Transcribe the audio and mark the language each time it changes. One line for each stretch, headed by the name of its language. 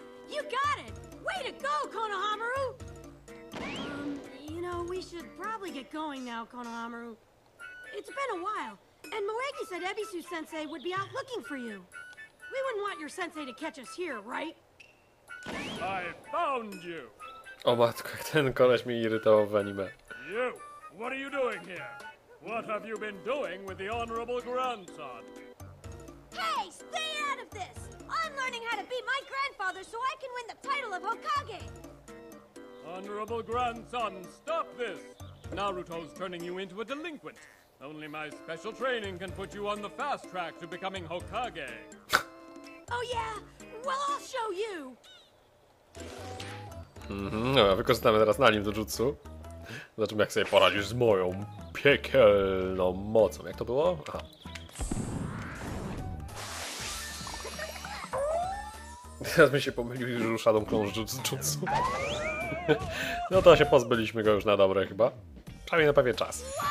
English: You got it! Way to go, Konohamaru! You know, we should probably get going now, Konohamaru. It's been a while, and Moegi said Ebisu sensei would be out looking for you. We wouldn't want your sensei to catch us here, right? I found you.
Polish: O matko, ten koleś mnie irytował w anime.
English: You, what are you doing here? What have you been doing with the honorable grandson? Hey, stay out of this! I'm learning how to be my grandfather so I can win the title of Hokage. Honorable grandson, stop this! Naruto's turning you into a delinquent. Only my special training can put you on the fast track to becoming Hokage. Oh yeah, well I'll show you.
Polish: No, wykorzystamy teraz na nim do jutsu. Zobaczymy, jak sobie poradzisz z moją piekielną mocą. Jak to było? Aha. Teraz mi się pomylił już Shadow Clone jutsu. No to się pozbyliśmy go już na dobre chyba. Przynajmniej na pewien czas.